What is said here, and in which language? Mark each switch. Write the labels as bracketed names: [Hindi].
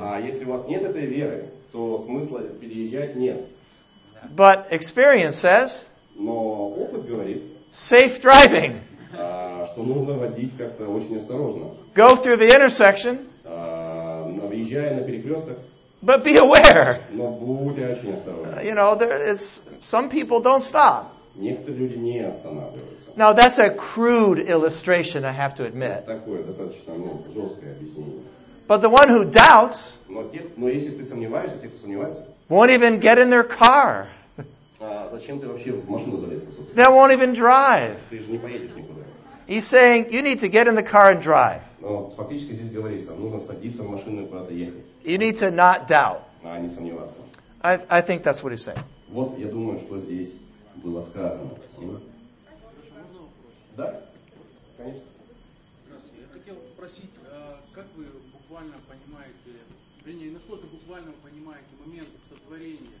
[Russian] А если у вас нет этой веры, то смысла переезжать нет. [English] But experience says. [Russian] Но опыт говорит. [English] Safe driving. [Russian] Что нужно водить как-то очень осторожно. [English] Go through the intersection. [Russian] Въезжая на перекресток. [English] But be aware. [Russian] Но будьте очень осторожны. [English] You know, there is some people don't stop. [Russian] Некоторые люди не останавливаются. [English] Now that's a crude illustration, I have to admit. [Russian] Такое достаточно, ну, жесткое объяснение. [English] But the one who doubts. [Russian] Но если ты сомневаешься, те, кто сомневается. [English] Won't even get in their car. [Russian] Зачем ты вообще в машину залез, собственно? [English] They won't even drive. [Russian] Ты же не поедешь никуда. [English] He's saying, you need to get in the car and drive. [Russian] Но фактически здесь говорится, нужно садиться в машину и куда-то ехать. [English] You need to not doubt. [Russian] А не сомневаться. [English] I think that's what he's saying. [Russian] Вот я думаю, что здесь было сказано. Да? Конечно. Я хотел попросить, как вы буквально понимаете, вернее, насколько буквально вы понимаете момент сотворения?